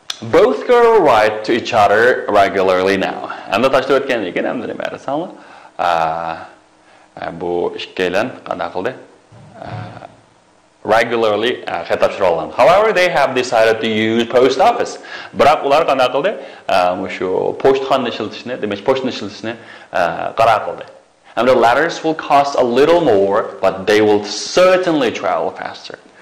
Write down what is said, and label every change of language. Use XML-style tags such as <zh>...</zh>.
<en>Both girl write to each other regularly now. And that's what can you get and the matter sound?</en> <uz>Bu ikkalan qanday qildi?</uz> <en>Regularly</en> <uz>xatapshirolan.</uz> <en>However, they have decided to use post office.</en> <uz>Biroq ular qanday qildi? Shu pochtxonani ishlatishni, demak, pochtani ishlatishni qaror qildi.</uz> <en>And the letters will cost a little more, but they will certainly travel faster.</en>